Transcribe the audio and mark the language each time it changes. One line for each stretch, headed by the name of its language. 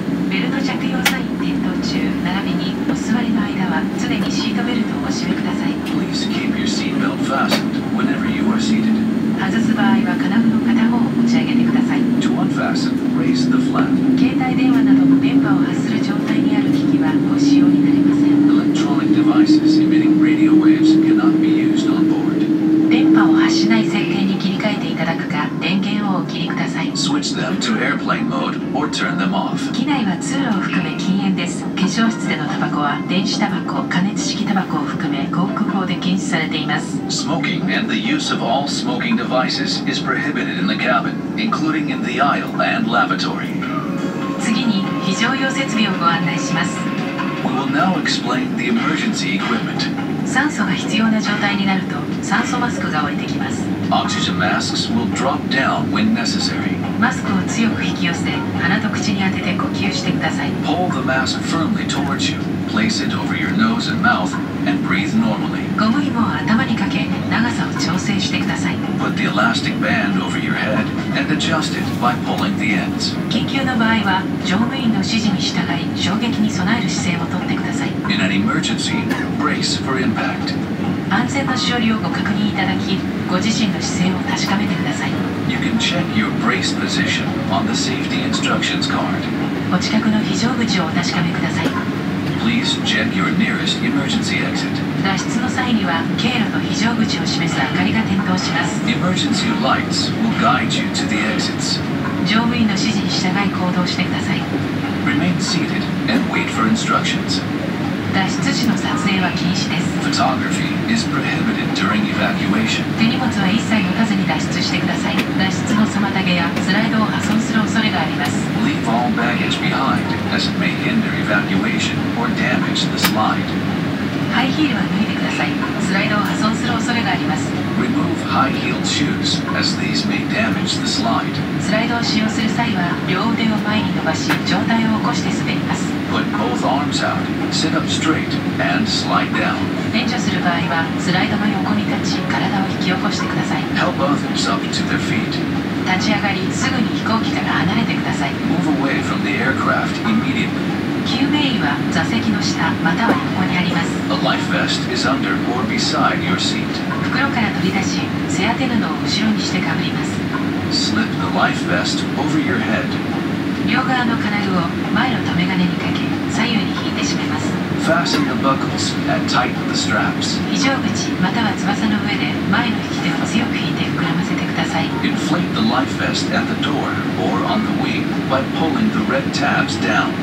Japanese: ベルト着用サイン点灯中、並びにお座りの間は常にシートベルトをお締めください。
English: Please keep your seatbelt fastened whenever you are seated.
Japanese: 外す場合は金具の片方を持ち上げてください。
English: To unfasten, raise the flap.
Japanese: 携帯電話などの電波を発する状態にある機器はご使用になりません。
English: Electronic devices emitting radio waves cannot be used on board.
Japanese: 電波を発しない設定に切り替えていただくか、電源をお切りください。
English: Switch them to airplane mode or turn them off.
Japanese: 機内は通路を含め禁煙です。化粧室でのタバコは電子タバコ、加熱式タバコを含め航空法で禁止されています。
English: Smoking and the use of all smoking devices is prohibited in the cabin, including in the aisle and lavatory.
Japanese: 次に非常用設備をご案内します。
English: We will now explain the emergency equipment.
Japanese: 酸素が必要な状態になると酸素マスクが置いてきます。
English: Oxygen masks will drop down when necessary.
Japanese: マスクを強く引き寄せ鼻と口に当てて呼吸してください。
English: Pull the mask firmly towards you. Place it over your nose and mouth and breathe normally.
Japanese: ゴム紐を頭にかけ長さを調整してください。
English: Put the elastic band over your head and adjust it by pulling the ends.
Japanese: 緊急の場合は乗務員の指示に従い衝撃に備える姿勢をとってください。
English: In an emergency, brace for impact.
Japanese: 安全のしおりをご確認いただき、ご自身の姿勢を確かめてください。
English: You can check your brace position on the safety instructions card.
Japanese: お近くの非常口をお確かめください。
English: Please check your nearest emergency exit.
Japanese: 脱出の際には経路の非常口を示す明かりが点灯します。
English: Emergency lights will guide you to the exits.
Japanese: 乗務員の指示に従い行動してください。
English: Remain seated and wait for instructions.
Japanese: 脱出時の撮影は禁止です。
English: Photography is prohibited during evacuation.
Japanese: 手荷物は一切持たずに脱出してください。脱出の妨げやスライドを破損する恐れがあります。
English: Leave all baggage behind as it may hinder evacuation or damage the slide.
Japanese: ハイヒールは脱いでください。スライドを破損する恐れがあります。
English: Remove high-heeled shoes as these may damage the slide.
Japanese: スライドを使用する際は両腕を前に伸ばし上体を起こして滑ります。
English: Put both arms out, sit up straight, and slide down.
Japanese: 援助する場合はスライドの横に立ち体を引き起こしてください。
English: Help others up to their feet.
Japanese: 立ち上がり、すぐに飛行機から離れてください。
English: Move away from the aircraft immediately.
Japanese: 救命衣は座席の下、または横にあります。
English: A life vest is under or beside your seat.
Japanese: 袋から取り出し、背当て布を後ろにしてかぶります。
English: Slip the life vest over your head.
Japanese: 両側の金具を前の留め金にかけ、左右に引いて締めます。
English: Fasten the buckles and tighten the straps.
Japanese: 非常口または翼の上で前の引き手を強く引いて膨らませてください。
English: Inflate the life vest at the door or on the wing by pulling the red tabs down.